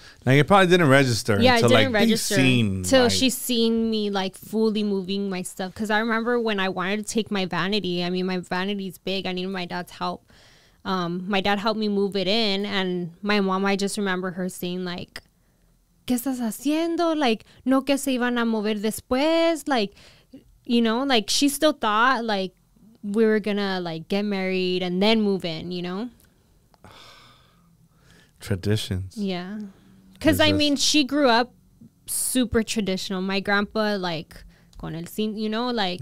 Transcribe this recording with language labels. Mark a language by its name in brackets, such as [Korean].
[English] Like, it probably didn't register. Yeah, until, it didn't like, register. Seen, till like, she seen me, like, fully moving my stuff. Because I remember when I wanted to take my vanity. I mean, my vanity's big. I needed my dad's help. My dad helped me move it in. And my mom, I just remember her saying, like, [Spanish] ¿Qué estás haciendo? Like, ¿No que se iban a mover después? [English] Like, you know, like, she still thought, like, we were going to, like, get married and then move in, you know? Traditions. Yeah. Because, I mean, she grew up super traditional. My grandpa, like, [Spanish] con el cinto, [English] you know, like,